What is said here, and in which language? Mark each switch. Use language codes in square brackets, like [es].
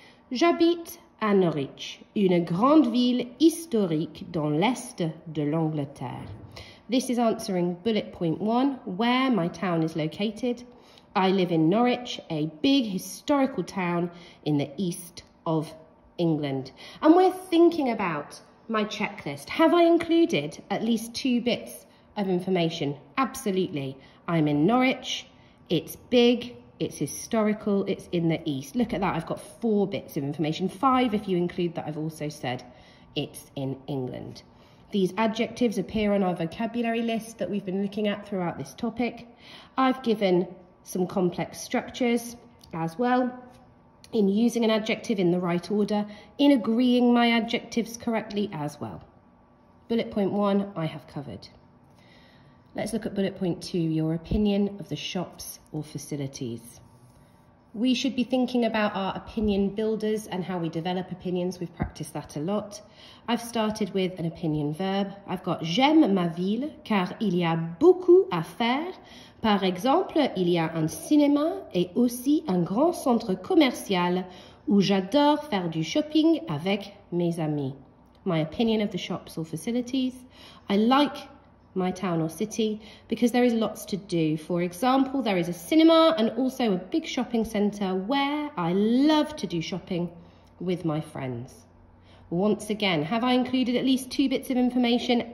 [fr] J'habite à Norwich, une grande ville historique dans l'est de l'Angleterre. [en] This is answering bullet point one, where my town is located. I live in Norwich, a big historical town in the east of England. And we're thinking about my checklist. Have I included at least two bits of information? Absolutely. I'm in Norwich, it's big, it's historical, it's in the east. Look at that, I've got four bits of information. Five if you include that I've also said it's in England. These adjectives appear on our vocabulary list that we've been looking at throughout this topic. I've given some complex structures as well in using an adjective in the right order, in agreeing my adjectives correctly as well. Bullet point one, I have covered. Let's look at bullet point two, your opinion of the shops or facilities. We should be thinking about our opinion builders and how we develop opinions. We've practiced that a lot. I've started with an opinion verb. I've got [fr] j'aime ma ville car il y a beaucoup à faire. Par exemple, il y a un cinéma et aussi un grand centre commercial où j'adore faire du shopping avec mes amis. [en] My opinion of the shops or facilities. I like my town or city because there is lots to do. For example, there is a cinema and also a big shopping centre where I love to do shopping with my friends. Once again, have I included at least two bits of information?